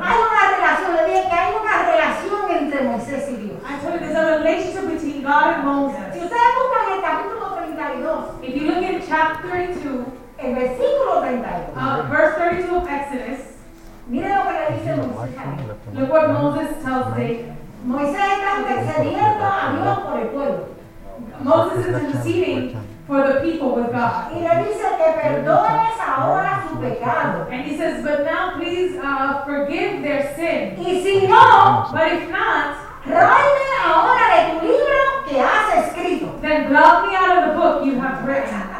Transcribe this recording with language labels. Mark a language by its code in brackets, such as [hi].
[es] Hay una relación, le dije que hay una relación entre Moisés y Dios. [en] I told you there's a relationship between God and Moses. [es] Si ustedes buscan el capítulo 32, [en] if you look in chapter 32, [es] el versículo 32, [en] verse 32 of Exodus, [es] mire lo que le dice Moisés. [en] Look what Moses tells David. [es] Moisés está intercediendo a Dios por el pueblo. [en] Moses is interceding for the people with God. [es] Y le dice que perdones ahora su pecado. [en] And he says, but now please forgive their sin. [es] Y si no, [en] but if not, [es] tráeme ahora de tu libro que has escrito. [en] Then drop me out of the book you have written.